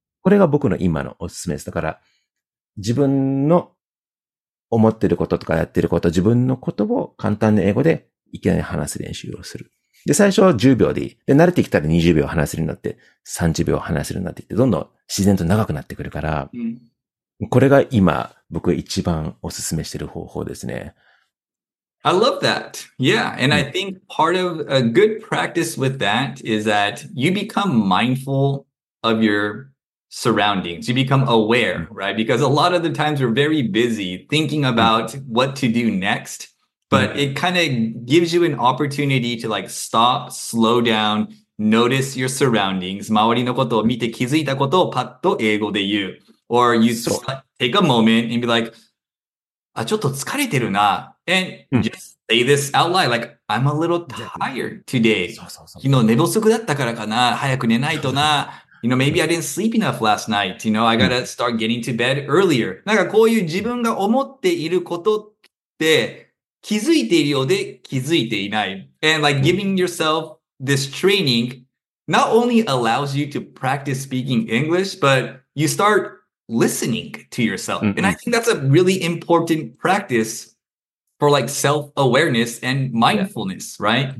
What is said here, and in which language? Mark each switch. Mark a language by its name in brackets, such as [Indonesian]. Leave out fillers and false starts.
[Japanese] これが僕の今のおすすめです。だから、自分の思ってることとかやってること、自分のことを簡単な英語でいきなり話す練習をする。で、最初は10秒でいい。で、慣れてきたら20秒話せるようになって、30秒話せるようになってきて、どんどん自然と長くなってくるから、うん、これが今、僕一番おすすめしてる方法ですね。 [English] I love that. Yeah, and I think part of a good practice with that is that you become mindful of your surroundings. You become aware, right? Because a lot of the times we're very busy thinking about what to do next. But it kind of gives you an opportunity to like stop, slow down, notice your surroundings. [Japanese] 周りのことを見て気づいたことをパッと英語で言う。 [English] Or you just take a moment and be like, [Japanese] あ、ちょっと疲れてるな。 [English] And just say this out loud. Like, I'm a little tired today. [Japanese] 昨日寝不足だったからかな。早く寝ないとな。 [English] You know, maybe I didn't sleep enough last night. You know, I gotta start getting to bed earlier. [Japanese] なんかこういう自分が思っていることって、気づいているようで気づいていない。 [English] And like giving yourself this training not only allows you to practice speaking English, but you start listening to yourself. And I think that's a really important practice for like self-awareness and mindfulness, right?